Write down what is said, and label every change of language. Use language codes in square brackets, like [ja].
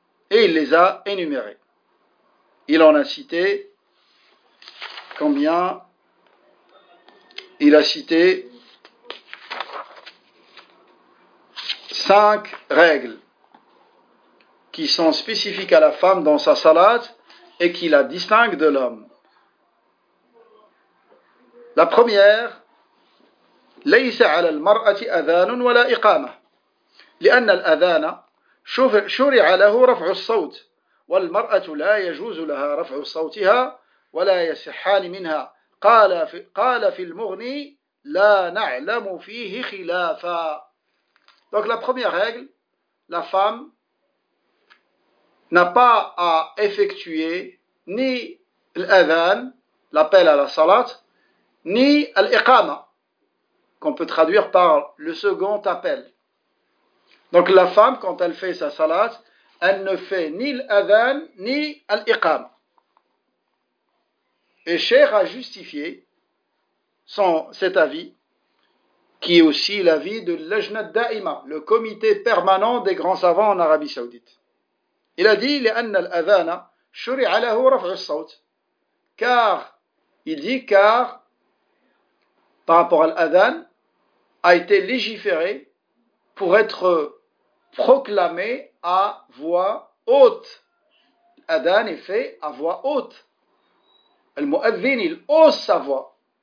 [fr] Et il les a énumérées. Il en a cité combien ? Il a cité 5 règles qui sont spécifiques à la femme dans sa salat et qui la distinguent de l'homme. La première, [ar] ليس على المرأة أذان ولا إقامة لأن الأذان شرع له رفع الصوت والمرأة لا يجوز لها رفع صوتها ولا يصحان منها قال في المغني لا نعلم فيه خلافا. [fr] Donc la première règle, la femme n'a pas à effectuer ni l'adhan, l'appel à la salat, ni l'iqama, qu'on peut traduire par le second appel. Donc la femme, quand elle fait sa salat, elle ne fait ni l'adhan ni l'iqam. Et Cheikh a justifié cet avis, qui est aussi l'avis de l'Ajna Daima, le comité permanent des grands savants en Arabie Saoudite. Il a dit [ar] لِأَنَّ الْأَذَانَ شُرِعَ لَهُ رَفْعُ الصَّوْتِ. [fr] Car, il dit, car, par rapport à l'adhan, a été légiféré pour être proclamé à voix haute. L'adhan est fait à voix haute. Le mu'adhin, il hausse sa voix.